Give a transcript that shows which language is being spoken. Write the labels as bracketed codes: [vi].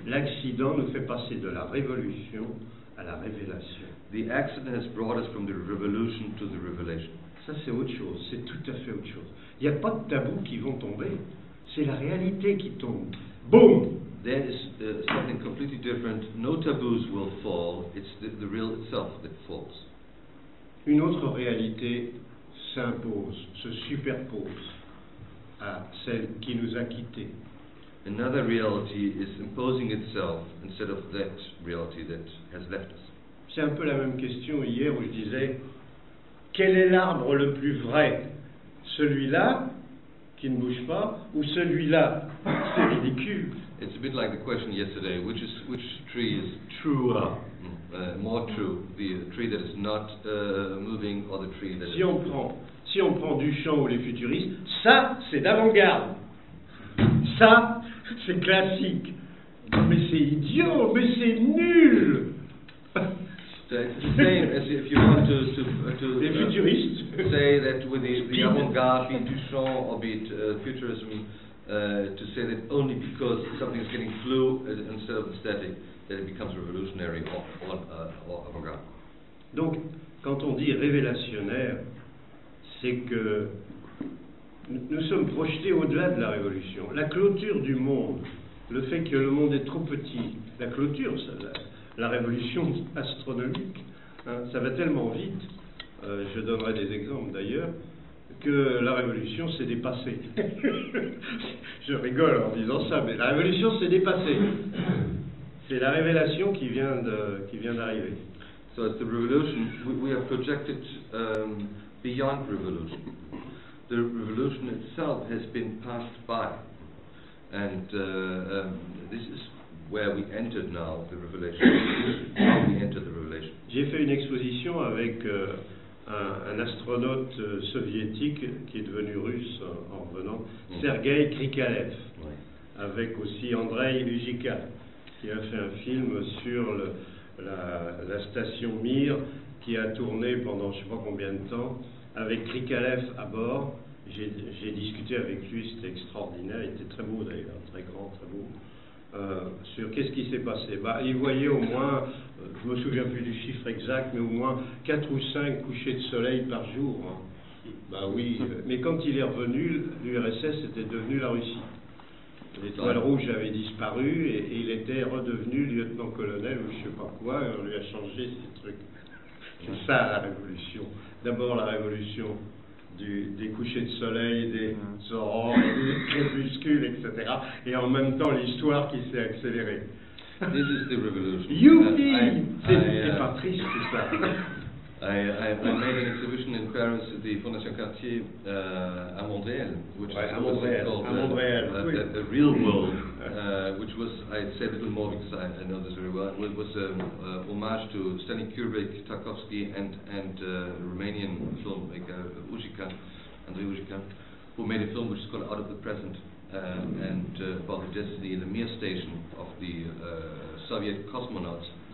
[fr] L'accident nous fait passer de la révolution à la révélation. [en] The accident has brought us from the revolution to the revelation. [fr] Ça c'est autre chose. C'est tout à fait autre chose. Il y a pas de tabous qui vont tomber. C'est la réalité qui tombe. Boom! [en] There is something completely different. No taboos will fall. It's the real itself that falls. [fr] Une autre réalité s'impose, se superpose à celle qui nous a quittés. [en] Another reality is imposing itself instead of that reality that has left us. [fr] C'est un peu la même question hier où je disais, quel est l'arbre le plus vrai? Celui-là qui ne bouge pas ou celui-là? C'est ridicule. [en] It's a bit like the question yesterday, which tree is truer, more true, the tree that is not moving or the tree that si is... [fr] Si on prend Duchamp ou les futuristes, ça, c'est d'avant-garde. Ça, c'est classique. Mais c'est idiot, mais c'est nul. [en] It's the same as if you want to [fr] les futuristes. [en] Say that with the avant-garde, be it Duchamp or be it futurism, to say that only because something is getting flu instead of static that it becomes revolutionary or avant-garde. [fr] Donc, quand on dit révélationnaire, c'est que nous sommes projetés au-delà de la révolution. La clôture du monde, le fait que le monde est trop petit, la clôture, ça, la révolution astronomique, hein, ça va tellement vite, je donnerai des exemples d'ailleurs, que la révolution s'est dépassée. Je rigole en disant ça, mais la révolution s'est dépassée. C'est la révélation qui vient d'arriver. [en] So it's the revolution. We have projected beyond revolution. The revolution itself has been passed by, and this is where we entered now the revelation. How we entered the revelation. [fr] J'ai fait une exposition avec un astronaute soviétique qui est devenu russe en revenant, Sergei Krikalev, avec aussi Andrei Ujica, qui a fait un film sur la station Mir, qui a tourné pendant je ne sais pas combien de temps, avec Krikalev à bord. J'ai discuté avec lui, c'était extraordinaire, il était très beau d'ailleurs, très grand, très beau. Sur qu'est-ce qui s'est passé. Bah, il voyait au moins, je me souviens plus du chiffre exact, mais au moins 4 ou 5 couchers de soleil par jour. Hein. Bah oui, mais quand il est revenu, l'URSS était devenue la Russie. L'étoile rouge avait disparu et il était redevenu lieutenant-colonel ou je ne sais pas quoi, et on lui a changé ces trucs. C'est ça la révolution. D'abord la révolution des couchers de soleil, des aurores, des crépuscules, etc. Et en même temps, l'histoire qui s'est accélérée. [en] This is the revolution. [fr] Youpi! C'est pas triste, tout ça. [en] I made an exhibition in Paris at the Fondation Cartier à Montréal, which is called the Real World, which was, I'd say a little more because I know this very well, it was an homage to Stanley Kubrick, Tarkovsky and Romanian filmmaker Ujica, Andrei Ujica, who made a film which is called Out of the Present and about the destiny in the Mir station of the Soviet cosmonauts.